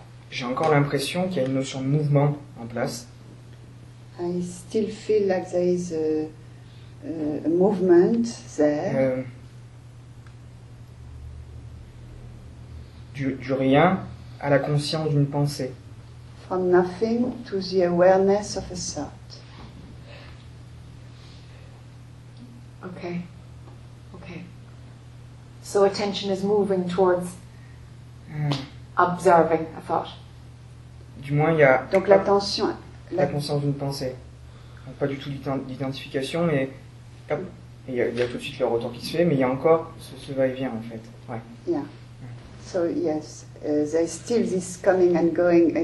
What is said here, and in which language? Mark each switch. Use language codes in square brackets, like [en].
[fr] J'ai encore l'impression qu'il y a une notion de mouvement en place. [en] I still feel like there is a movement there. [fr] Du rien à la conscience d'une pensée. [en] From nothing to the awareness of a thought. Okay. So attention is moving towards observing a thought. [fr] Du moins, il y a donc l'attention, la conscience d'une pensée. Donc, pas du tout l'identification, mais il y a tout de suite le retour qui se fait, mais il y a encore ce va-et-vient en fait. Ouais. [en] Yeah. So yes, there's still this coming and going.